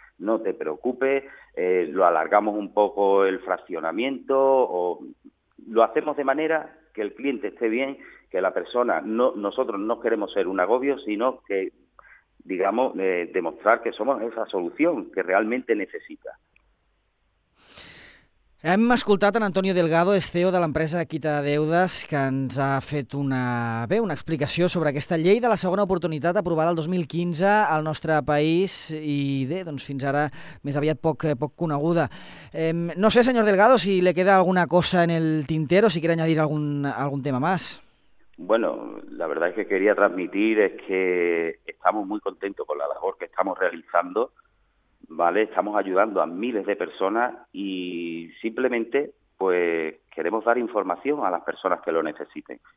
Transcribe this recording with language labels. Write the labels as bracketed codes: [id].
[es] No te preocupes, lo alargamos un poco el fraccionamiento, o lo hacemos de manera que el cliente esté bien, que la persona, no, nosotros no queremos ser un agobio, sino que, digamos, demostrar que somos esa solución que realmente necesita. [ca] Hem escoltat en Antonio Delgado, és CEO de l'empresa Quita Deudes, que ens ha fet una explicació sobre aquesta llei de la segona oportunitat aprovada el 2015 al nostre país i, doncs, fins ara més aviat poc coneguda. [es] No sé, senyor Delgado, si le queda alguna cosa en el tintero, si quiere añadir algún tema más. Bueno, la verdad es que quería transmitir es que estamos muy contentos con la labor que estamos realizando. Vale, estamos ayudando a miles de personas y simplemente pues queremos dar información a las personas que lo necesiten.